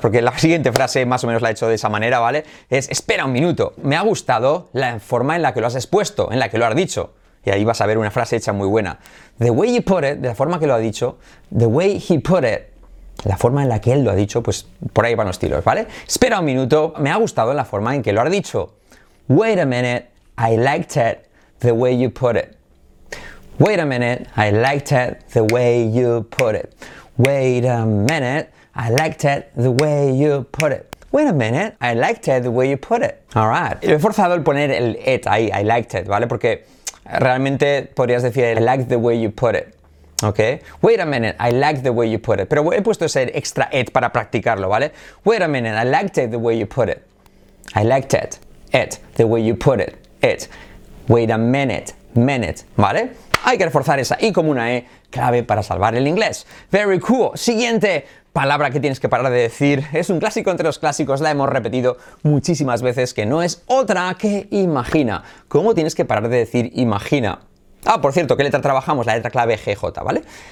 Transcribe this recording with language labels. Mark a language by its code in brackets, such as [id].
[es] Porque la siguiente frase más o menos la he hecho de esa manera, ¿vale? Es, espera un minuto, me ha gustado la forma en la que lo has expuesto, en la que lo has dicho. Y ahí vas a ver una frase hecha muy buena. [en] The way he put it, [es] de la forma que lo ha dicho, [en] the way he put it, [es] la forma en la que él lo ha dicho, pues por ahí van los tiros, ¿vale? Espera un minuto, me ha gustado la forma en que lo has dicho. [en] Wait a minute, I liked it the way you put it. Wait a minute, I liked it the way you put it. Wait a minute, I liked it the way you put it. Wait a minute, I liked it the way you put it. All right. [es] He forzado el poner el it ahí, [en] I liked it, [es] ¿vale? Porque realmente podrías decir, [en] I liked the way you put it, [es] ¿ok? [en] Wait a minute, I liked the way you put it. [es] Pero he puesto ese extra it para practicarlo, ¿vale? [en] Wait a minute, I liked it the way you put it. I liked it, the way you put it, it. Wait a minute, ¿vale? [es] Hay que reforzar esa I como una E, clave para salvar el inglés. [en] Very cool. [es] Siguiente palabra que tienes que parar de decir, es un clásico entre los clásicos, la hemos repetido muchísimas veces, que no es otra que imagina. ¿Cómo tienes que parar de decir imagina? Ah, por cierto, ¿qué letra trabajamos? La letra clave GJ, ¿vale?